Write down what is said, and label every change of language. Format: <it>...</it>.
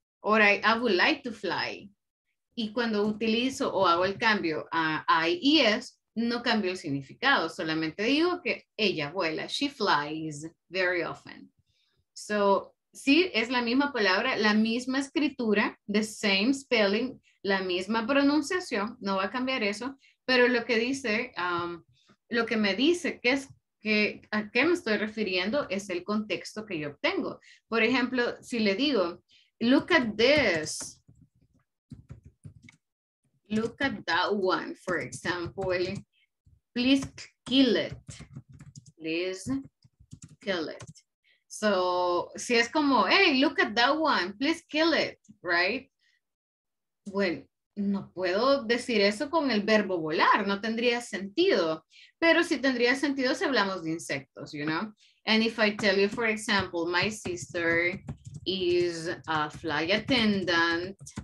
<en>Or I would like to fly.</en> <es>Y cuando utilizo o hago el cambio a I y S, no cambio el significado, solamente digo que ella vuela,</es> <en>she flies very often.</en> <es>So, sí, es la misma palabra, la misma escritura,</es> <en>the same spelling,</en> <es>la misma pronunciación, no va a cambiar eso, pero lo que dice, lo que me dice, que es que, ¿a qué me estoy refiriendo? Es el contexto que yo obtengo. Por ejemplo, si le digo,</es> <en>look at this, look at that one, for example, please kill it, please kill it. So,</en> <es>si es como,</es> <en>hey, look at that one, please kill it, right?</en> <es>Bueno, no puedo decir eso con el verbo volar, no tendría sentido. Pero sí tendría sentido si hablamos de insectos,</es> <en>you know? And if I tell you, for example, my sister is a fly attendant.</en>